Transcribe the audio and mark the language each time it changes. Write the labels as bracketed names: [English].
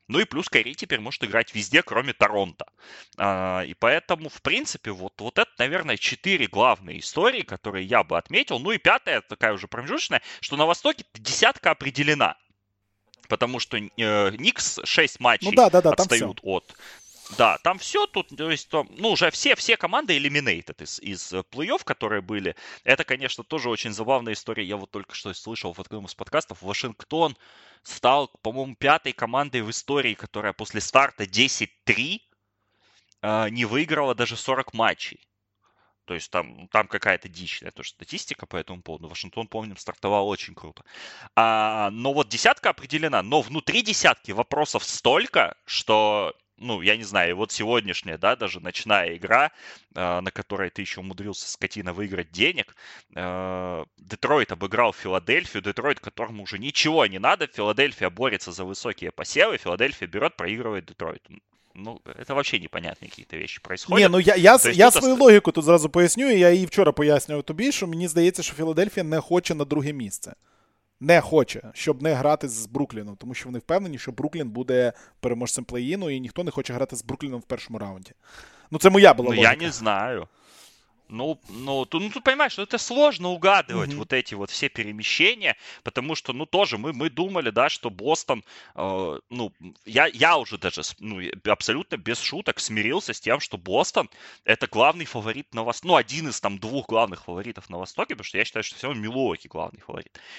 [Russian] Ну и плюс Кайри теперь может играть везде, кроме Торонто. И поэтому, в принципе, вот это, наверное, 4 главные истории, которые я бы отметил. Ну и пятая, такая уже промежуточная, что на Востоке десятка определена. Потому что Никс 6 матчей, ну, да, отстают там от... Да, там все тут, то есть, то, ну, уже все команды eliminated из плей-офф, которые были. Это, конечно, тоже очень забавная история. Я вот только что слышал в одном из подкастов. Вашингтон стал, по-моему, 5-й командой в истории, которая после старта 10-3 не выиграла даже 40 матчей. То есть там какая-то дичная тоже статистика по этому поводу. Вашингтон, помним, стартовал очень круто. Но вот десятка определена. Но внутри десятки вопросов столько, что... Ну, я не знаю, вот сегодняшняя, да, даже ночная игра, на которой ты еще умудрился, скотина, выиграть денег. Детройт обыграл Филадельфию. Детройт, которому уже ничего не надо. Филадельфия борется за высокие посевы. Филадельфия берет, проигрывает Детройт. Ну, это вообще непонятные какие-то вещи происходят. [Ukrainian] Не, ну я свою логіку тут зразу поясню, і я її вчора пояснював тобі, що мені здається, що Філадельфія не хоче на друге місце. Не хоче, щоб не грати з Брукліном, тому що вони впевнені, що Бруклін буде переможцем плей-іну, і ніхто не хоче грати з Брукліном в першому раунді. Ну, це моя була логіка. Ну, я не знаю. [Russian] Ну, ты понимаешь, что это сложно угадывать, mm-hmm. вот эти вот все перемещения, потому что, ну, тоже мы думали, да, что Бостон, ну, я уже даже, ну, абсолютно без шуток смирился с тем, что Бостон это главный фаворит на Востоке, ну, один из там двух главных фаворитов на Востоке, потому что я считаю, что все равно Милуоки главный фаворит.